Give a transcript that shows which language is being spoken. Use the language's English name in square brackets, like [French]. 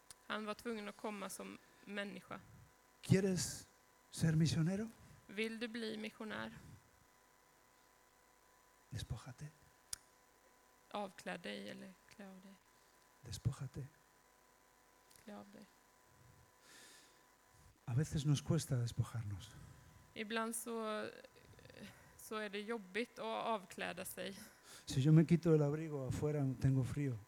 [Swedish] Han var tvungen att komma som människa. [Spanish] ¿Quieres ser misionero? [Swedish] Vill du bli missionär? [Spanish] Despójate. [Swedish] Avklä dig eller klä av dig. [Spanish] Despójate. [Swedish] klä av dig. [Spanish] A veces nos cuesta despojarnos. [Swedish] Ibland så är det jobbigt att avkläda sig. [Spanish] Si yo me quito el abrigo afuera, tengo frío.